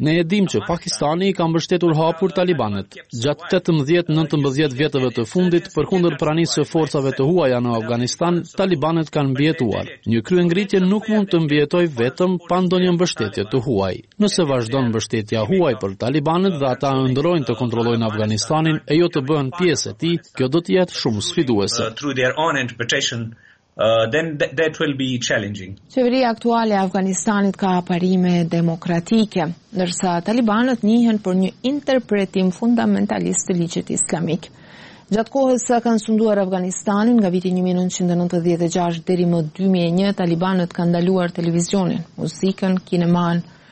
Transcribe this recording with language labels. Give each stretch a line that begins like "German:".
Albanian: Ne e dim që Pakistani i ka mbështetur hapur talibanët. Gjatë 18-19 vjetëve të fundit, përkundër pranisë së forcave të huaja në Afganistan, talibanët kanë mbijetuar. Një kryengritje nuk mund të mbijetojë vetëm pa ndonjë mbështetje të huaj. Nëse vazhdon mbështetja huaj për talibanët dhe ata ndrojnë të kontrollojnë Afganistanin e jo të bëhen pjesë e tij, kjo do të jetë shumë sfiduese.
English: Through their own interpretation, then that will be challenging.
Albanian: Qeveria aktuale e Afganistanit ka parime demokratike, ndërsa talibanët njihen për një interpretim fundamentalist të ligjit islamik. Gjatë kohës sa kanë sunduar Afganistanin nga viti 1996 deri më 2001, talibanët kanë ndaluar televizionin, muzikën, kineman.